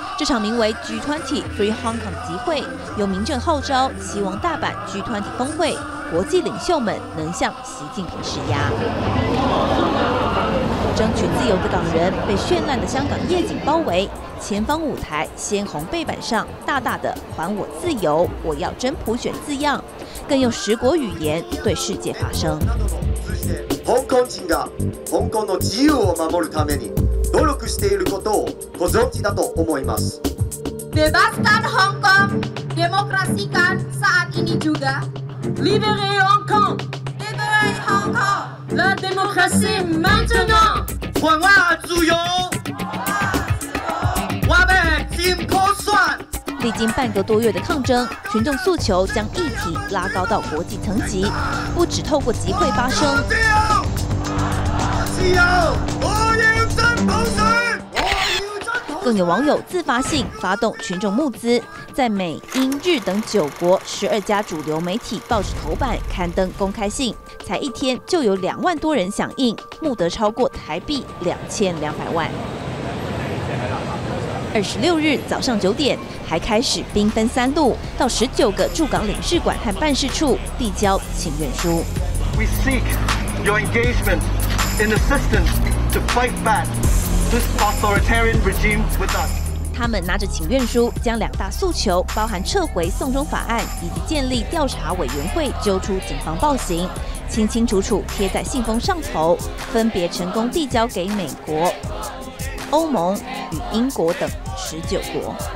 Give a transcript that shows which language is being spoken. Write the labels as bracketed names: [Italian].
[Chinese] 这场名为 G20 Free Hong Kong 集会，由民政号召，希望大阪 G20 峰会国际领袖们能向习近平施压。争取自由的港人被绚烂的香港夜景包围，前方舞台鲜红背板上大大的“还我自由，我要真普选”字样，更用十国语言对世界发声。 [Japanese] 香港人が香港の自由を守るために努力していることをご存知だと思います。 [Indonesian] Bebaskan Hong Kong, demokrasikan saat ini juga. [French] Libere Hong Kong, libere Hong Kong, la démocratie maintenant. [Chinese] 还我自由，我要金普选。历经半个多月的抗争，群众诉求将议题拉高到国际层级，不只透过集会发声。自由，我要真普选。更有网友自发性发动群众募资，在美、英、日等9国12家主流媒体报纸头版刊登公开信，才一天就有20000多人响应，募得超过台币2200万。 26日早上9点，还开始兵分三路，到19个驻港领事馆和办事处递交请愿书。 [English] We seek your engagement and assistance to fight back this authoritarian regime with us. [Chinese] 他们拿着请愿书，将两大诉求，包含撤回送中法案以及建立调查委员会揪出警方暴行，清清楚楚贴在信封上头，分别成功递交给美国、欧盟与英国等19国。